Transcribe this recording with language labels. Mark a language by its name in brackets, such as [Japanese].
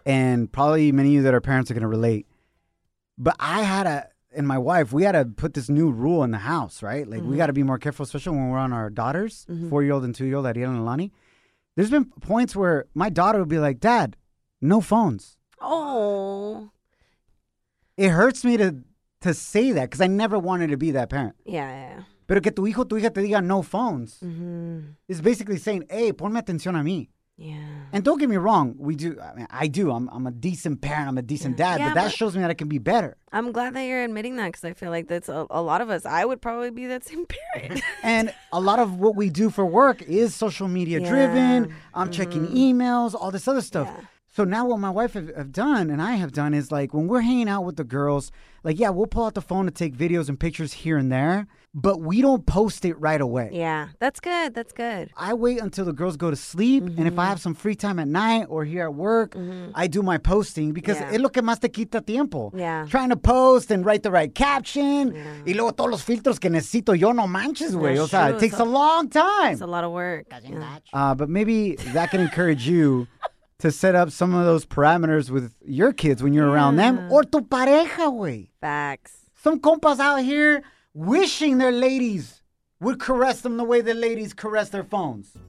[English] And probably many of you that are parents are going to relate. But I had my wife had to put this new rule in the house, right? Like, we got to be more careful, especially when we're on our daughters, 4-year-old and 2-year-old, Ariel and Alani. There's been points where my daughter would be like, Dad, no phones. Oh. It hurts me to say that because I never wanted to be that parent. Yeah. [Spanish] Pero que tu hijo, tu hija te diga [English] no phones is basically saying, hey, [Spanish] ponme atención a mí. [English] Yeah. And don't get me wrong, we do. I mean, I do. I'm a decent parent. I'm a decent dad. Yeah, but that shows me that I can be better. I'm glad that you're admitting that because I feel like that's a lot of us. I would probably be that same parent. And a lot of what we do for work is social media driven. I'm checking emails, all this other stuff. Yeah. So now what my wife have done and I have done is like when we're hanging out with the girls, like, yeah, we'll pull out the phone to take videos and pictures here and there. But we don't post it right away. Yeah, that's good. That's good. I wait until the girls go to sleep. Mm-hmm. And if I have some free time at night or here at work, I do my posting because [Spanish] es lo que más te quita tiempo. [English] Yeah. Trying to post and write the right caption. Yeah. [Spanish] Y luego todos los filtros que necesito yo no manches, güey. [English] Yeah, sure. It takes a long time. It's a lot of work. Yeah. But maybe that can encourage you to set up some of those parameters with your kids when you're around them or [Spanish] tu pareja, güey. [English] Facts. Some compas out here wishing their ladies would caress them the way the ladies caress their phones.